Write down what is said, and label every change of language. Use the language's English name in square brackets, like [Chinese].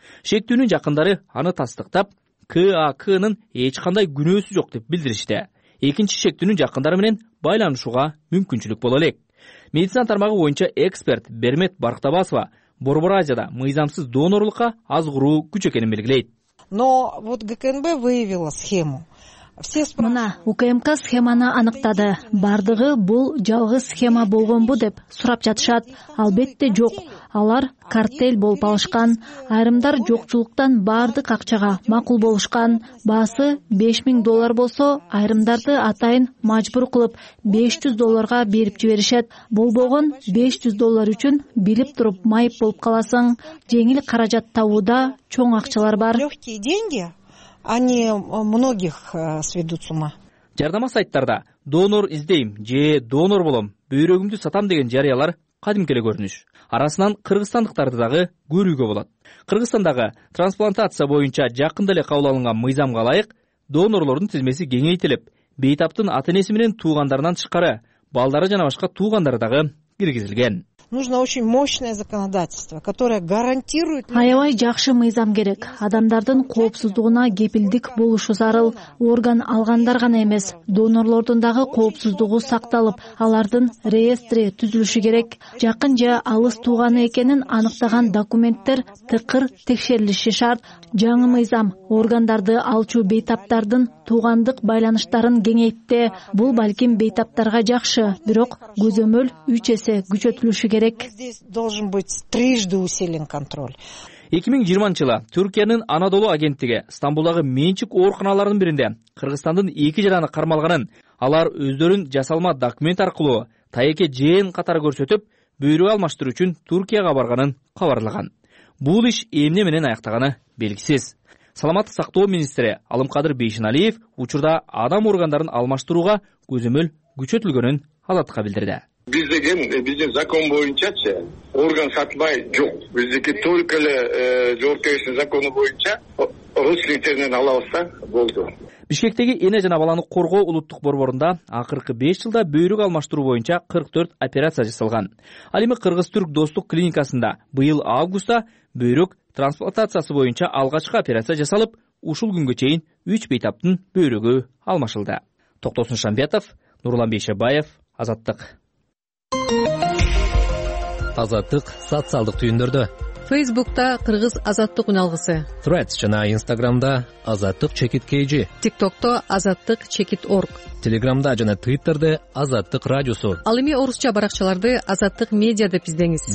[Kyrgyz] Шектүүнүн жакындары аны тастыктап, КАКнын эч кандай күнөөсү жок деп билдиришти. Экинчи шектүүнүн жакындары менен байланышууга мүмкүнчүлүк боло элек. Медицина тармагы боюнча эксперт Бермет Барктабасова Борбор Азияда мыйзамсыз донорлукка аз куруу күч экенин белгилейт. [Russian] Но вот ГКНБ выявила схему. [Kyrgyz] Мына УКМК схеманы аныктады. Бардыгы бул жалгыз схема болгонбу деп сурап жатышат. Албетте жок. Алар картель болуп алышкан. Айрымдар жокчулуктан бардык акчага макул болушкан. Баасы 5000 доллар болсо, айрымдарды атайын мажбур кылып 500 долларга берип жиберишет. Болбогон 500 доллар үчүн билип туруп майып болуп каласың. Жеңил каражат табууда чоң акчалар бар. [Russian] Легкие деньги. Они многих сведут с ума. [Kyrgyz] Жардама сайттарда донор издейм же донор болом, бөйрөгүмдү сатам деген жарыялар кадимке эле көрүнүш. Арасынан кыргызстандыктарды дагы көрүүгө болот. Кыргызстандагы трансплантация боюнча жакында эле кабыл алынган мыйзамга ылайык донорлордун тизмеси кеңейтилип, бейтаптын ата-энеси менен туугандарынан тышкары балдары жана башка туугандары дагы киргизилген. [Russian] Нужно очень мощное законодательство, которое гарантирует. [Kyrgyz] Аябай жакшы мыйзам керек. Адамдардын коопсуздугуна кепилдик болушу зарыл. Орган алгандар гана эмес, донорлордун дагы коопсуздугу сакталып, алардын реестри түзүлүшү керек. Жакын же алыс тууганы экенин аныктаган документтер тыкыр текшерилиши шарт. Жаңы мыйзам органдарды алчуу бейтаптардын туугандык байланыштарын кеңейтти. Бул балким бейтаптарга жакшы, бирок көзөмөл 3 эсе күчөтүлүшү керек. [Russian] Здесь должен быть трижды усилен контроль. [Kyrgyz] 2020 жылы Түркиянын Анадолу агенттиги Стамбулдагы менчик ооруканалардын биринде Кыргызстандын эки жараны кармалганын, алар өздөрүн жасалма документ аркылуу таеке ЖН катары көрсөтүп, буйрук алмаштыруу үчүн Түркияга барганын кабарлаган. Бул иш эмне менен аяктаганы белгисиз. Саламаттык сактоо министри Алымкадыр Бейшиналиев учурда адам органдарын алмаштырууга көзөмөл күчөтүлгөнүн Алатка билдирди. Биз деген биздин закон боюнчачы орган сатпай жок. Биздики только эле жоопкерчиликтин закону боюнча родственниктеринен алабыз да болду. Бишкектеги эне жана баланы коргоо улуттук борборунда акыркы 5 жылда бөйрөк алмаштыруу боюнча 44 операция жасалган. Ал эми Кыргыз-Түрк достук клиникасында быйыл августта бөйрөк трансплантациясы боюнча алгачкы операция жасалып, ушул күнгө чейин 3 бейтаптын бөйрөгү алмашылды. Токтосун Шамбетов, Нурлан Бейшебаев, Азаттык. Азаттык социалдык түйүндөрдө. Фейсбукта Кыргыз Азаттык уналгысы. Threads жана Instagramда Азаттык чекит KG. TikTokто Азаттык чекит Орг. Telegramда жана Twitterде Азаттык радиосу. Ал эми орусча баракчаларды Азаттык медиа деп издеңиз.